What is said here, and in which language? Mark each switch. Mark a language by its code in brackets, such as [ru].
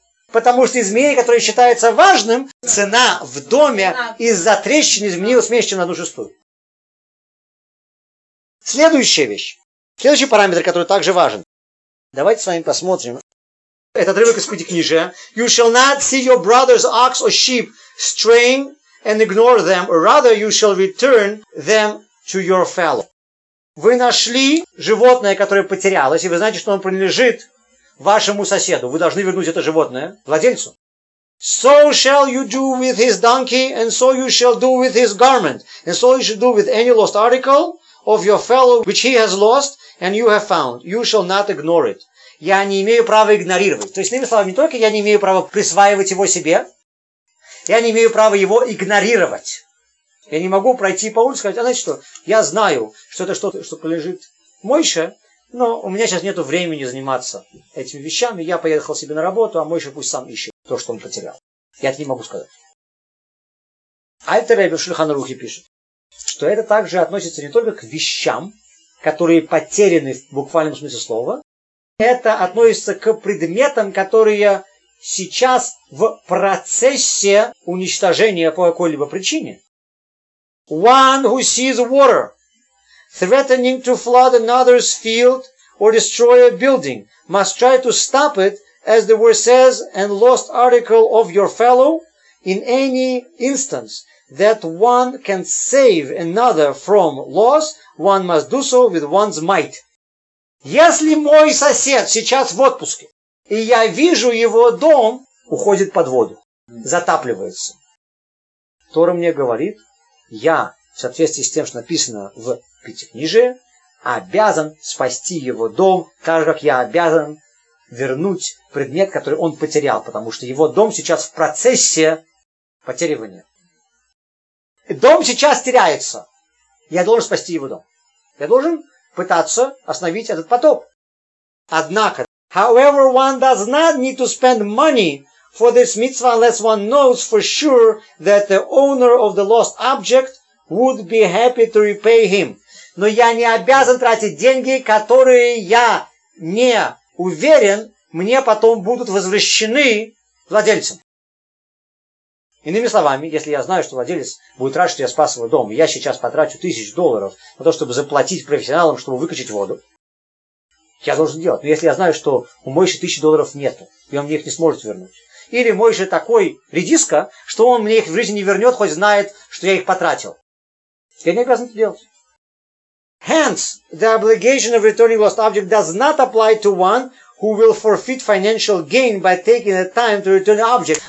[ru] Потому что изменение, которое считается важным, цена в доме из-за трещины изменилась меньше, чем на 1/6. Следующая вещь. Следующий параметр, который также важен. Давайте с вами посмотрим. Это отрывок из Пятикнижия. [en] You shall not see your brother's ox or sheep straying and ignore them. Rather, you shall return them to your fellow. [ru] Вы нашли животное, которое потерялось, и вы знаете, что оно принадлежит вашему соседу. Вы должны вернуть это животное владельцу. [en] So shall you do with his donkey, and so you shall do with his garment, and so you shall do with any lost article of your fellow, which he has lost, and you have found. You shall not ignore it. [ru] Я не имею права игнорировать. То есть, иными словами, не только я не имею права присваивать его себе, я не имею права его игнорировать. Я не могу пройти по улице и сказать, а знаете что, я знаю, что это что-то, что полежит Мойше, но у меня сейчас нет времени заниматься этими вещами. Я поехал себе на работу, а Мойше пусть сам ищет то, что он потерял. Я это не могу сказать. Альтер Ребе в Шульхан Арухе пишет, что это также относится не только к вещам, которые потеряны в буквальном смысле слова. Это относится к предметам, которые сейчас в процессе уничтожения по какой-либо причине. One who sees water threatening to flood another's field or destroy a building must try to stop it, as the word says, and lost article of your fellow, in any instance that one can save another from loss, one must do so with one's might. Если мой сосед сейчас в отпуске, и я вижу его дом уходит под воду, затапливается, Тора мне говорит, я, в соответствии с тем, что написано в Пятикнижии, обязан спасти его дом, так же, как я обязан вернуть предмет, который он потерял, потому что его дом сейчас в процессе потеривания. Дом сейчас теряется. Я должен спасти его дом. Я должен пытаться остановить этот потоп. Однако, [en] however, one does not need to spend money for this mitzvah unless one knows for sure that the owner of the lost object would be happy to repay him. [ru] Но я не обязан тратить деньги, которые я не уверен, мне потом будут возвращены владельцам. Иными словами, если я знаю, что владелец будет рад, что я спас его дом, и я сейчас потрачу $1000 на то, чтобы заплатить профессионалам, чтобы выкачать воду, я должен делать. Но если я знаю, что у Мойши $1000 нету, и он мне их не сможет вернуть. Или Мойши такой редиска, что он мне их в жизни не вернет, хоть знает, что я их потратил. Я не обязан это делать. [en] Hence, the obligation of returning lost object does not apply to one who will forfeit financial gain by taking the time to return the object.